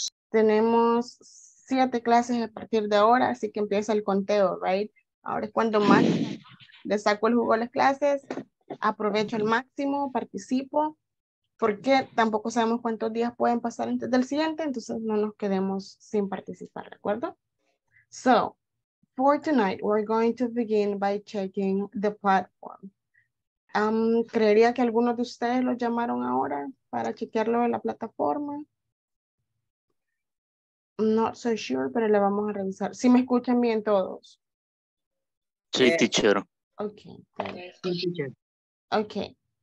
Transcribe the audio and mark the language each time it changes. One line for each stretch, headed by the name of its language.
Spanish: Tenemos 7 clases a partir de ahora, así que empieza el conteo, right? Ahora es cuando más le saco el jugo a las clases, aprovecho al máximo, participo. Porque tampoco sabemos cuántos días pueden pasar antes del siguiente, entonces no nos quedemos sin participar, ¿de acuerdo?
English: So, for tonight, we're going to begin by checking the platform.
Spanish: ¿Creería que algunos de ustedes lo llamaron ahora para chequearlo en la plataforma?
English: Not so sure,
Spanish: pero le vamos a revisar. ¿Sí me escuchan bien todos? Sí, teacher.
English: Okay. Okay.